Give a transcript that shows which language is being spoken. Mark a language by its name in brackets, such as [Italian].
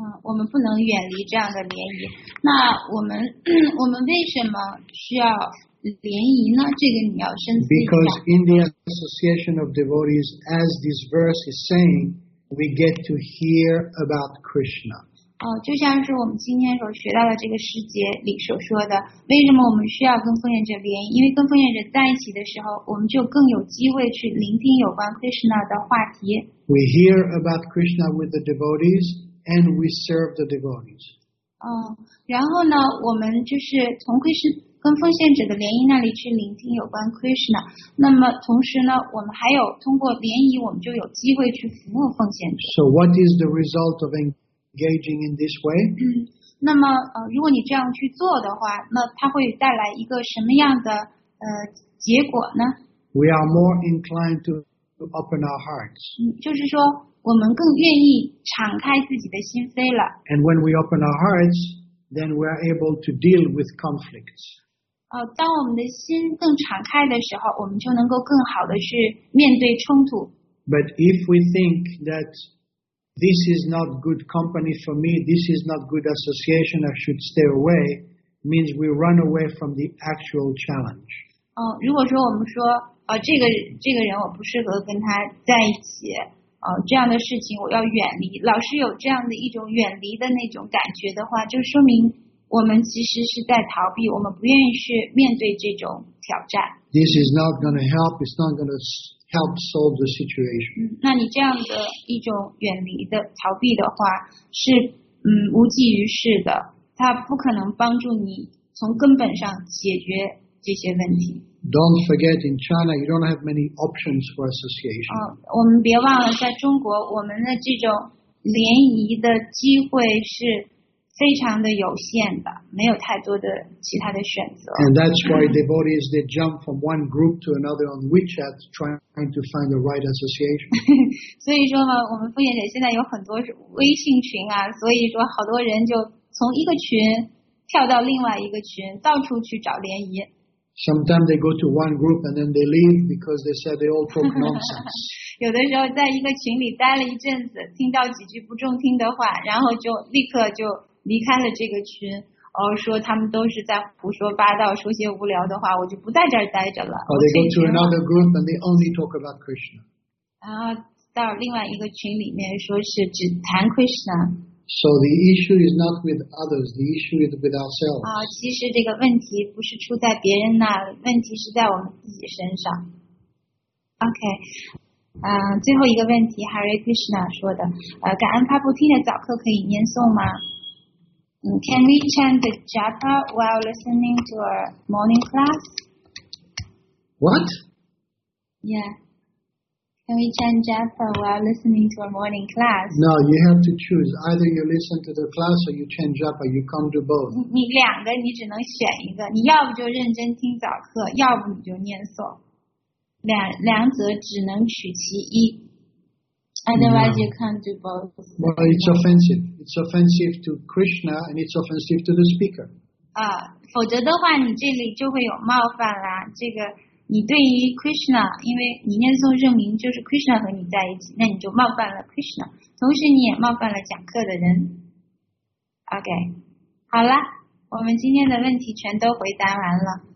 [Chinese] 我们不能远离这样的联谊。那我们为什么需要联谊呢？这个你要深思一下。 [English] Because in the association of devotees, as this verse is saying, we get to hear about Krishna. [Chinese] 就像是我们今天所学到的这个诗节里所说的，为什么我们需要跟奉献者联谊？因为跟奉献者在一起的时候，我们就更有机会去聆听有关 Krishna 的话题。 [English] We hear about Krishna with the devotees, and we serve the devotees. [Chinese] 然后呢，我们就是从跟奉献者的联谊那里去聆听有关 Krishna。那么同时呢，我们还有通过联谊，我们就有机会去服务奉献者。 [English] So what is the result of engaging in this way? [Chinese] 那么如果你这样去做的话，那它会带来一个什么样的结果呢？ [English] We are more inclined to. Open our hearts. [Chinese] 就是说，我们更愿意敞开自己的心扉了。 [English] And when we open our hearts, then we are able to deal with conflicts. [Chinese] 当我们的心更敞开的时候，我们就能够更好的去面对冲突。 [English] But if we think that this is not good company for me, this is not good association, I should stay away, means we run away from the actual challenge. [Chinese] 如果说我们说。这个人我不适合跟他在一起，这样的事情我要远离。老是有这样的一种远离的那种感觉的话，就说明我们其实是在逃避，我们不愿意去面对这种挑战。 [English] This is not going to help. It's not going to help solve the situation. [Chinese] 那你这样的一种远离的逃避的话，是无济于事的，它不可能帮助你从根本上解决这些问题。 [English] Don't forget, in China, you don't have many options for association. [Chinese] 我们别忘了，在中国，我们的这种联谊的机会是非常的有限的，没有太多的其他的选择。 [English] And that's why devotees they jump from one group to another on WeChat trying to find the right association. [Chinese] 所以说嘛，我们奉献者现在有很多微信群啊，所以说好多人就从一个群跳到另外一个群，到处去找联谊。 [English] Sometimes they go to one group and then they leave because they say they all talk nonsense. [Chinese] 有的时候在一个群里待了一阵子，听到几句不中听的话，然后就立刻就离开了这个群，而说他们都是在胡说八道，说些无聊的话，我就不在这儿待着了。 [English] Or they go to another group and they only talk about Krishna. [Chinese] 然后到另外一个群里面，说是只谈 Krishna。 [English] So the issue is not with others. The issue is with ourselves. [Chinese] 其实这个问题不是出在别人那，问题是在我们自己身上。 Okay. 最后一个问题 ，Hare Krishna 说的，感恩帕布提的早课可以念诵吗？ [English] Can we chant the japa while listening to our morning class? What? Yeah. Can we chant japa while listening to our morning class? No, you have to choose. Either you listen to the class or you chant japa. You can't do both. [Chinese] 你两个你只能选一个。你要不就认真听早课，要不你就念诵。两者只能取其一。 [English] Otherwise, you can't do both. Well, it's offensive. It's offensive to Krishna and it's offensive to the speaker. [Chinese] 否则的话你这里就会有冒犯啦。这个你对于 Krishna, 因为你念诵证明就是 Krishna 和你在一起，那你就冒犯了 Krishna, 同时你也冒犯了讲课的人。 OK, 好了，我们今天的问题全都回答完了。